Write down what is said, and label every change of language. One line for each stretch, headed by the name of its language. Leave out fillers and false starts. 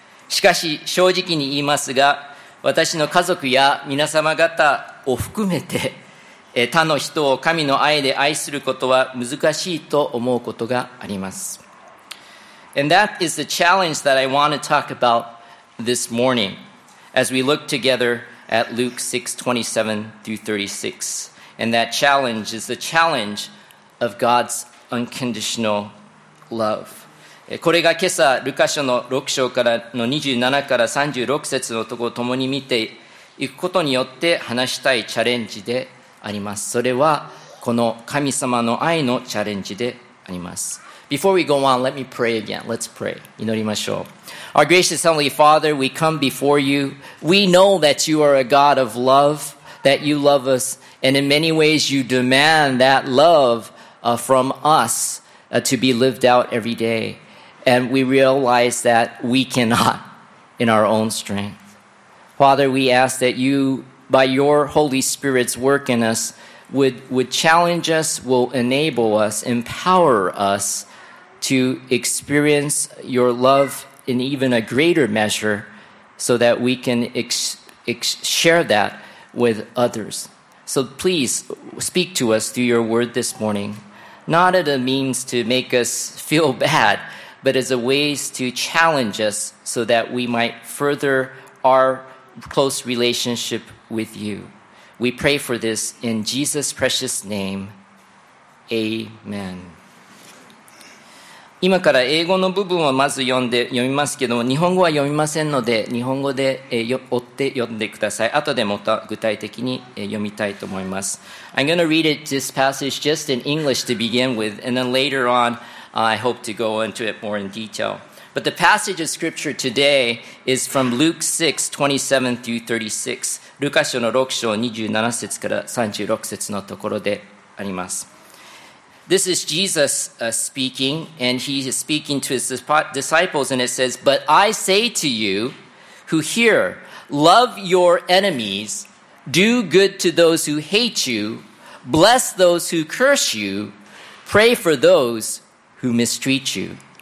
Japanese: しかし正直に言いますが、私の家族や皆様方を含めて他の人を神の愛で愛することは難しいと思うことがあります。
English: And that is the challenge that I want to talk about this morning as we look together at Luke 6:27 through 36. And that challenge is the challenge of God's unconditional love.
Japanese: これが今朝、ルカ書の6章からの27から36節のところを共に見ていくことによって話したいチャレンジであります。それはこの神様の愛のチャレンジであります。
English: Before we go on, let me pray again. Let's pray.
Japanese: 祈りましょう。
English: Our gracious Heavenly Father, we come before you. We know that you are a God of love, that you love us, and in many ways you demand that love from us to be lived out every day. And we realize that we cannot. in our own strength. Father, we ask that you, by your Holy Spirit's work in us, would challenge us, will enable us, empower us to experience your love in even a greater measure so that we can share that with others. So please speak to us through your word this morning, not as a means to make us feel bad, but as a ways to challenge us so that we might further our close relationship with you. We pray for this in Jesus' precious name. Amen.
Japanese: 今から英語の部分をまず読んで読みますけども、日本語は読みませんので、日本語で追って読んでください。後でまた具体的に読みたいと思います。
English: I'm going to read it, this passage just in English to begin with, and then later on, I hope to go into it more in detail. But the passage of scripture today is from Luke 6:27 through 36.
Japanese: ルカ書の6章27節から36節のところであります。
English: This is Jesus speaking, and he is speaking to his disciples, and it says, But I say to you who hear, love your enemies, do good to those who hate you, bless those who curse you, pray for those who mistreat you.